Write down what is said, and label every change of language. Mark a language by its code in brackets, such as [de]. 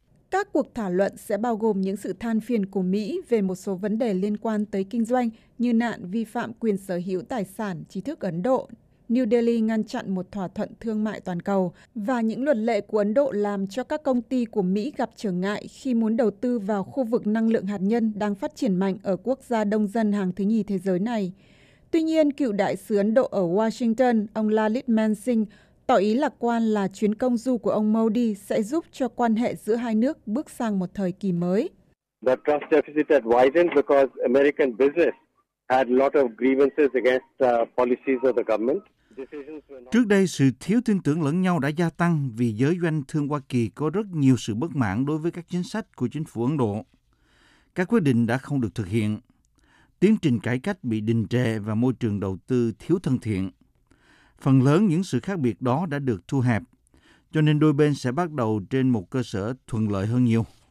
[vi] Các cuộc thảo luận sẽ bao gồm những sự than phiền của Mỹ về một số vấn đề liên quan tới kinh doanh như nạn vi phạm quyền sở hữu tài sản trí thức Ấn Độ, New Delhi ngăn chặn một thỏa thuận thương mại toàn cầu và những luật lệ của Ấn Độ làm cho các công ty của Mỹ gặp trở ngại khi muốn đầu tư vào khu vực năng lượng hạt nhân đang phát triển mạnh ở quốc gia đông dân hàng thứ nhì thế giới này. Tuy nhiên, cựu đại sứ Ấn Độ ở Washington, ông Lalit Mansingh, tỏ ý lạc quan là chuyến công du của ông Modi sẽ giúp cho quan hệ giữa hai nước bước sang một thời kỳ mới. [en] The trust deficit had widened because American business had a lot of grievances against policies of the government. [vi] Trước đây, sự thiếu tin tưởng lẫn nhau đã gia tăng vì giới doanh thương Hoa Kỳ có rất nhiều sự bất mãn đối với các chính sách của chính phủ Ấn Độ. Các quyết định đã không được thực hiện. Tiến trình cải cách bị đình trệ và môi trường đầu tư thiếu thân thiện. Phần lớn những sự khác biệt đó đã được thu hẹp, cho nên đôi bên sẽ bắt đầu trên một cơ sở thuận lợi hơn nhiều.